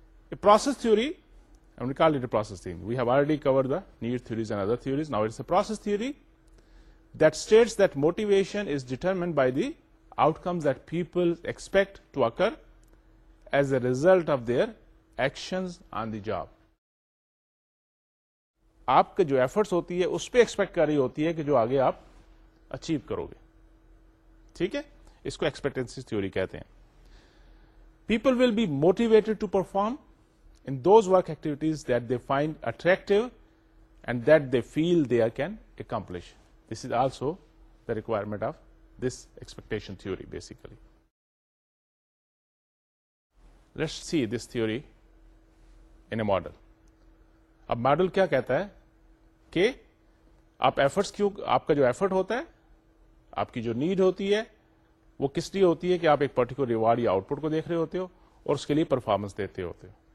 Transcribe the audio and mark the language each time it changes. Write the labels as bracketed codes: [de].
[en] A process theory, and we call it a process theory. We have already covered the need theories and other theories. Now it's a process theory that states that motivation is determined by the outcomes that people expect to occur as a result of their actions on the job. [ur] آپ کے جو efforts ہوتی ہے اس پہ expect کر رہی ہوتی ہے کہ جو آگے آپ اچیو کرو گے. ٹھیک ہے؟ اس کو ایکسپیکٹنسی تھیوری کہتے ہیں. [en] People will be motivated to perform in those work activities that they find attractive and that they feel they are can accomplish. This is also the requirement of this expectation theory. Basically let's see this theory in a model. [ur] اب model کیا کہتا ہے کہ آپ efforts کیوں, آپ کا جو ایفرٹ ہوتا ہے, آپ کی جو نیڈ ہوتی ہے, وہ کس لیے ہوتی ہے کہ آپ ایک پرٹیکولر ریوارڈ یا آؤٹ پٹ کو دیکھ رہے ہوتے ہو اور اس کے لیے پرفارمنس دیتے ہوتے ہو.